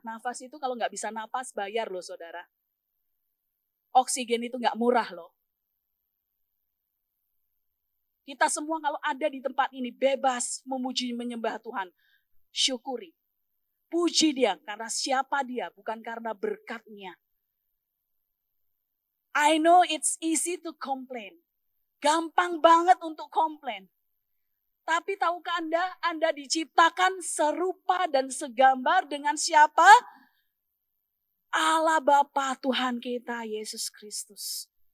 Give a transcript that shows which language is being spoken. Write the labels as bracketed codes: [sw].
[id] Nafas itu kalau nggak bisa nafas, bayar loh saudara. Oksigen itu nggak murah loh. Kita semua kalau ada di tempat ini bebas memuji menyembah Tuhan. Syukuri. Puji dia karena siapa dia, bukan karena berkatnya. [en] I know it's easy to complain. [id] Gampang banget untuk komplain. Tapi tahukah Anda, Anda diciptakan serupa dan segambar dengan siapa? Allah Bapa Tuhan kita, Yesus Kristus.